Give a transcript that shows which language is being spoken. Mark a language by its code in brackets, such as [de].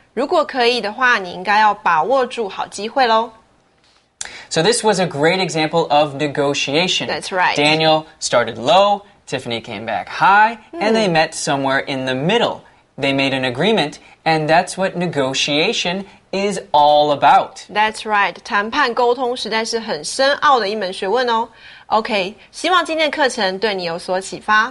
[zh] 如果可以的话，你应该要把握住好机会咯。 [en] So this was a great example of negotiation. That's right. Daniel started low, Tiffany came back high, and they met somewhere in the middle. They made an agreement, and that's what negotiation is all about. That's right. [zh] 谈判沟通实在是很深奥的一门学问哦。 OK, 希望今天的课程对你有所启发。